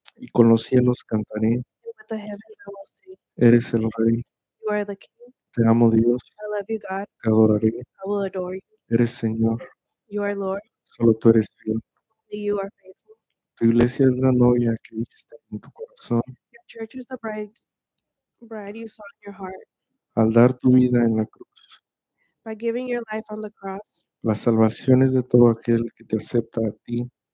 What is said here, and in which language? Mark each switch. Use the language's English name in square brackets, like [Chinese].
[Spanish] Y con los cielos cantaré. [English] And with the heavens I will sing. [Spanish] Eres el rey. [English] You are the king. [Spanish] Te amo, Dios. [English] I love you, God. [Spanish] Te adoraré. [English] I will adore you. [Spanish] Eres Señor. [English] You are Lord. [Spanish] Solo tú eres fiel. [English] You are faithful. [Spanish] Tu iglesia es la novia que viste en tu corazón. [English] Your church is the bride you saw in your heart. [Spanish] Al dar tu vida en la cruz. [English] By giving your life on the cross. [Spanish] La salvación es de todo aquel que te acepta a ti.